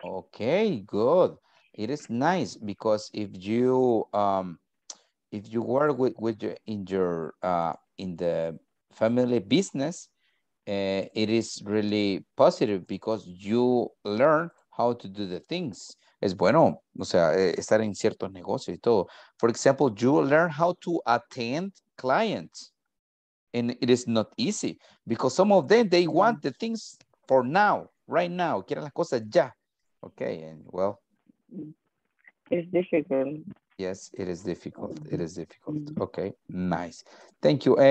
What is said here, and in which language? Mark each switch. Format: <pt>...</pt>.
<en>Okay, good. It is nice because if you work in the family business, it is really positive because you learn how to do the things.</en> <es>Es bueno, o sea, estar en ciertos negocios y todo.</es> <en>For example, you learn how to attend clients. And it is not easy because some of them, they want the things for now, right now.</en> <es>Quieren las cosas ya. Okay,</es> <en>and well. It's difficult. Yes, it is difficult. It is difficult. Okay, nice. Thank you.</en>